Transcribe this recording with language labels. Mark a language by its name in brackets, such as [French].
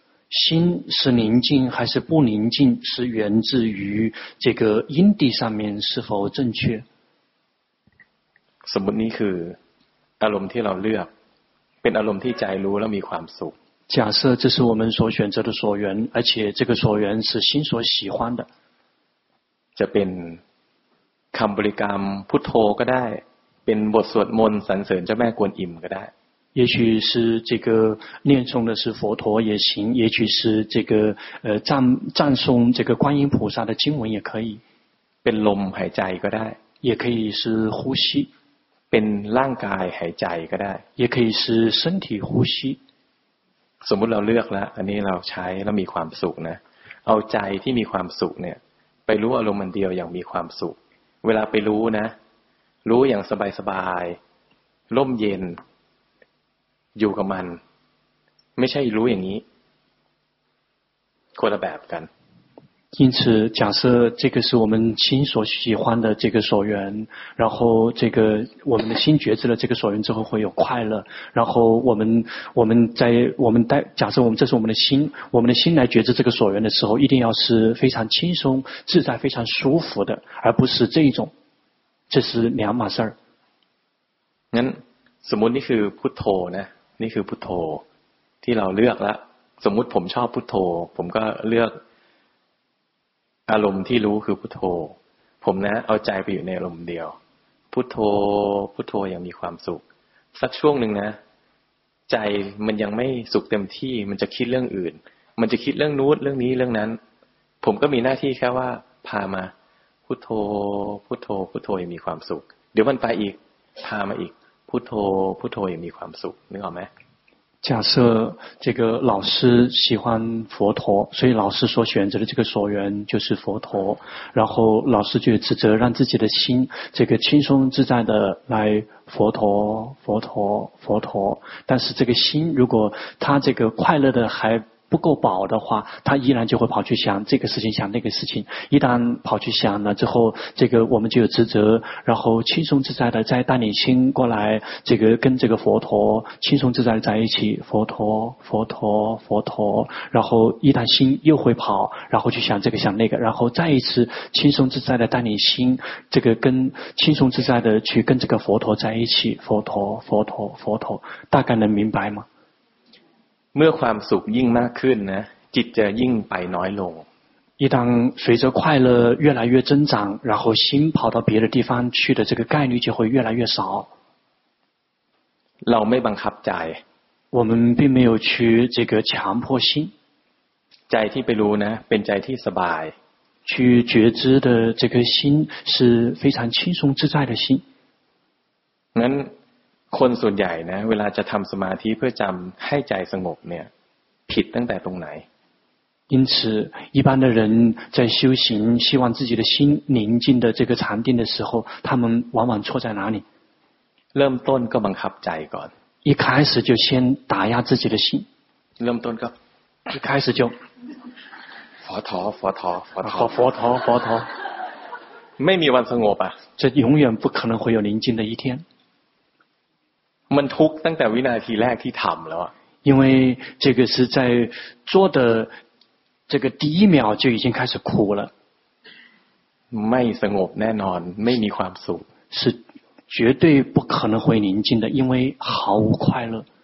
[Chinese] 心是宁静还是不宁静是源自于这个因地上面是否正确 [Thai] สมมุตินี้คืออารมณ์ที่เราเลือกเป็นอารมณ์ที่ใจรู้แล้วมีความสุข [Chinese] 假设这是我们所选择的所缘而且这个所缘是心所喜欢的 [Thai] จะเป็นคำบริกรรมพุทโธก็ได้เป็นบทสวดมนต์สรรเสริญเจ้าแม่กวนอิมก็ได้ [Chinese] 也许是这个念诵的是佛陀也行也许是这个赞颂这个观音菩萨的经文也可以 [Thai] เป็นลมหายใจก็ได้ [Chinese] 也可以是呼吸 [Thai] เป็นร่างกายหายใจก็ได้ [Chinese] 也可以是身体呼吸 [Thai] สมมติเราเลือกแล้วอันนี้เราใช้แล้วมีความสุขนะเอาใจที่มีความสุขเนี่ยไปรู้อารมณ์มันเดียวอย่างมีความสุขเวลาไปรู้นะรู้อย่างสบายสบายร่มเย็นอยู่กับมันไม่ใช่รู้อย่างนี้คนละแบบกัน [Chinese] 因此假设这个是我们心所喜欢的这个所缘然后这个我们的心觉知了这个所缘之后会有快乐然后我们这是我们的心我们的心来觉知这个所缘的时候一定要是非常轻松自在非常舒服的而不是这一种这是两码事儿。 [Thai] งั้นสมมุตินี่คือพุทโธนะนี่คือพุทโธที่เราเลือกละสมมุติผมชอบพุทโธผมก็เลือกอารมณ์ที่รู้คือพุทโธผมนะเอาใจไปอยู่ในอารมณ์เดียวพุทโธพุทโธยังมีความสุขสักช่วงนึงนะ ใจมันยังไม่สุขเต็มที่มันจะคิดเรื่องอื่นมันจะคิดเรื่องนู้นเรื่องนี้เรื่องนั้นผมก็มีหน้าที่แค่ว่าพามาพุทโธพุทโธพุทโธยังมีความสุขเดี๋ยวมันไปอีกพามาอีกพุทโธพุทโธยังมีความสุขนึกออกไหม [Chinese] 假设这个老师喜欢佛陀，所以老师所选择的这个所缘就是佛陀。然后老师就指责让自己的心这个轻松自在的来佛陀、佛陀、佛陀。但是这个心如果他这个快乐的还不够饱的话，他依然就会跑去想这个事情、想那个事情。一旦跑去想了之后，这个我们就有职责，然后轻松自在的再带领心过来，这个跟这个佛陀轻松自在的在一起，佛陀、佛陀、佛陀。然后一旦心又会跑，然后去想这个、想那个，然后再一次轻松自在的带领心，这个跟轻松自在的去跟这个佛陀在一起，佛陀、佛陀、佛陀。大概能明白吗？ [Thai] เมื่อความสุขยิ่งมากขึ้นนะจิตจะยิ่งไปน้อยลง [Chinese] 一旦随着快乐越来越增长然后心跑到别的地方去的这个概率就会越来越少 [Thai] เราไม่บังคับใจ [Chinese] 我们并没有去这个强迫心 [Thai] ใจที่ไปรู้นะเป็นใจที่สบาย [Chinese] 去觉知的这个心是非常轻松自在的心 [Thai] งั้นคนส่วนใหญ่นะเวลาจะทำสมาธิเพื่อจำให้ใจสงบเนี่ยผิดตั้งแต่ตรงไหน [Chinese] 因此一般的人在修行希望自己的心宁静的这个禅定的时候他们往往错在哪里 [Thai] เริ่มต้นก็บังคับใจก่อน [Chinese] 一开始就先打压自己的心 [Thai] เริ่มต้นก็ [Chinese] 一开始就佛陀佛陀佛陀佛陀佛陀 [Thai] ไม่มีวันสงบอ่ะ [Chinese] 这永远不可能会有宁静的一天 [Thai] มันทุกข์ตั้งแต่วินาทีแรกที่ทำแล้ว [Chinese] 因为这个是在做的这个第一秒就已经开始苦了 [Thai] ไม่สงบแน่นอนไม่มีความสุข [Chinese] 是绝对不可能会宁静的因为毫无快乐